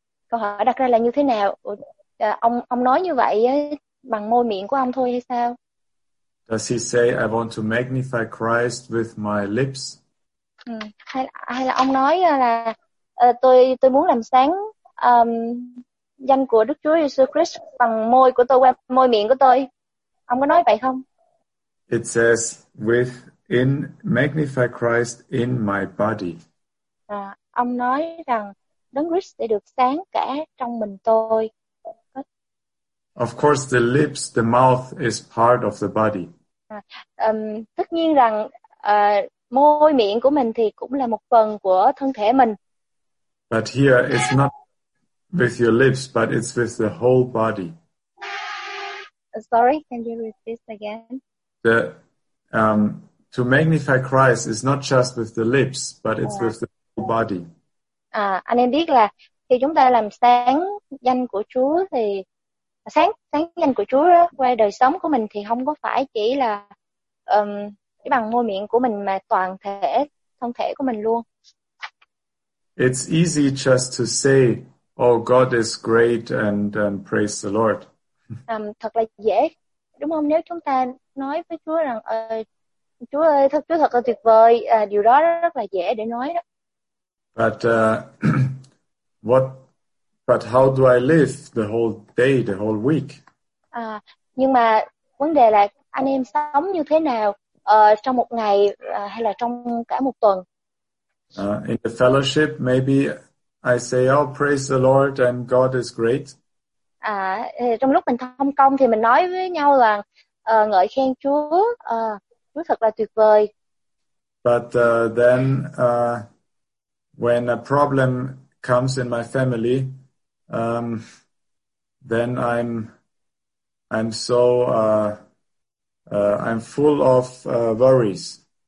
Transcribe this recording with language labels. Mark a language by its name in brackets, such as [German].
[Vietnamese] Câu hỏi đặt ra là như thế nào? Ông nói như vậy bằng môi miệng của ông thôi hay sao? [English] Does he say I want to magnify Christ with my lips? [Vietnamese] Hay là ông nói là tôi muốn làm sáng danh của Đức Chúa Jesus Christ bằng môi của tôi, qua môi miệng của tôi. Ông có nói vậy không? [English] It says with in magnify Christ in my body. [Vietnamese] Ông nói rằng Đấng Christ sẽ được sáng cả trong mình tôi. [English] Of course the lips, the mouth is part of the body. [Vietnamese] Tất nhiên rằng môi miệng của mình thì cũng là một phần của thân thể mình. [English] But here it's not with your lips, but it's with the whole body. Sorry, can you repeat this again? To magnify Christ is not just with the lips, but it's with the whole body. [Vietnamese] Anh em biết là khi chúng ta làm sáng danh của Chúa thì sáng danh của Chúa đó, qua đời sống của mình thì không có phải chỉ là chỉ bằng môi miệng của mình mà toàn thể thân thể của mình luôn. [English] It's easy just to say, oh, God is great and praise the Lord. [Vietnamese] Thật là dễ, đúng không? Nếu chúng ta nói với Chúa rằng, Chúa ơi, Chúa thật là tuyệt vời, điều đó rất là dễ để nói đó. [English] But how do I live the whole day, the whole week? [Vietnamese] Nhưng mà vấn đề là anh em sống như thế nào trong một ngày hay là trong cả một tuần? [English] In the fellowship, maybe I say, oh, praise the Lord and God is great. [Vietnamese] Trong lúc mình thông công thì mình nói với nhau là ngợi khen Chúa, Chúa thật là tuyệt vời. [English] But then when a problem comes in my family, then I'm full of worries.